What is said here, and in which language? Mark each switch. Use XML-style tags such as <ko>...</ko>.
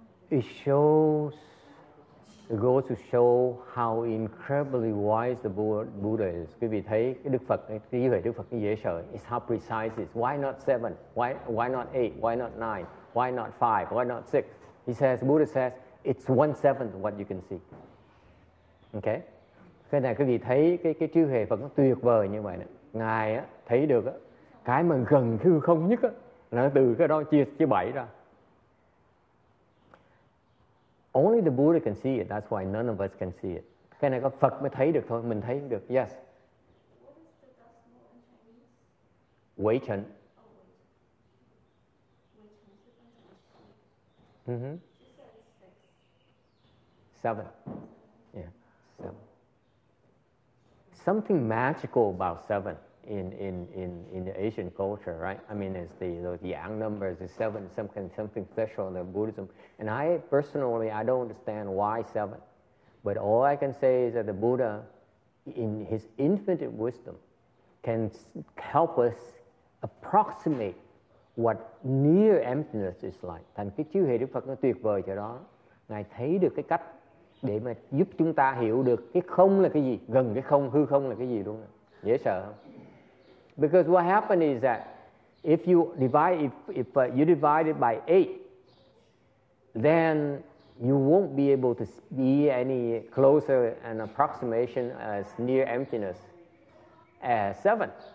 <en>It shows, it goes to show how incredibly wise the Buddha is.</en> <vi>Quý vị thấy cái Đức Phật, cái trí huệ Đức Phật dễ sợ.</vi> <en>It's how precise it is. Why not seven? Why not eight? Why not nine? Why not five? Why not six? He says, Buddha says, it's 1/7 what you can see. Okay?</en> <vi>Cái này quý vị thấy cái trí huệ Phật nó tuyệt vời như vậy. Ngài á, thấy được á, cái mà gần hư không nhất á, là từ cái đó chia bảy ra.</vi> <en>Only the Buddha can see it. That's why none of us can see it.</en> <vi>Cái này có Phật mới thấy được thôi. Mình thấy được. Yes.</vi> <en>What is the decimal in Chinese? Wei Chen. Seven. Yeah. Seven. Something magical about seven in the Asian culture, right? I mean, it's the yang numbers, the seven, something special in the Buddhism. And I personally, I don't understand why seven. But all I can say is that the Buddha, in his infinite wisdom, can help us approximate what near emptiness is like.</en> <vi>Thành cái chư hệ Đức Phật nó tuyệt vời chỗ đó. Ngài thấy được cái cách để mà giúp chúng ta hiểu được cái không là cái gì, gần cái không, hư không là cái gì, đúng không? Dễ sợ không?</vi> <en>Because what happened is that if you divide it by eight, then you won't be able to be any closer an approximation as near emptiness as seven.</en>